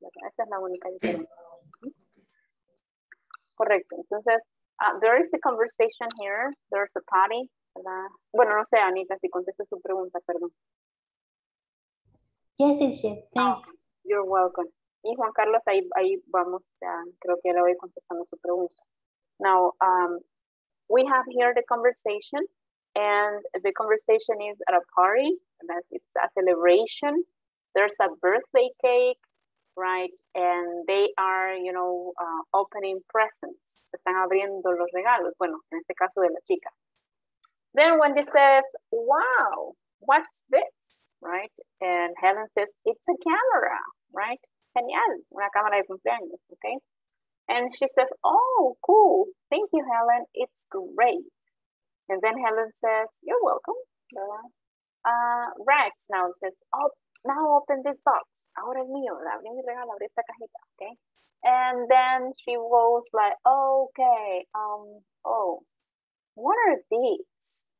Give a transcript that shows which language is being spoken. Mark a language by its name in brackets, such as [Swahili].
[Spanish] Esa es la única diferencia. ¿Sí? Correcto, entonces... [English] there is a conversation here. There's a party. [Spanish] Bueno, no sé, Anita, si contesto su pregunta, perdón. [English] Yes, it's yes. Thanks. Oh, you're welcome. [Spanish] Y Juan Carlos, ahí vamos, creo que ya le voy contestando su pregunta. [English] Now, we have here the conversation, and the conversation is at a party. It's a celebration. There's a birthday cake. Right, and they are, you know, opening presents. [Spanish] Están abriendo los regalos. Bueno, en este caso de la chica. [English] Then Wendy says, wow, what's this? Right, and Helen says, it's a camera. Right, [Spanish] genial, una cámara de cumpleaños. [English] Okay, and she says, oh, cool. Thank you, Helen. It's great. And then Helen says, you're welcome. Rex now says, oh, now open this box. [Spanish] Ahora el mío, abrí mi regalo, abrí esta cajita, okay? [English] And then she was like, okay, what are these?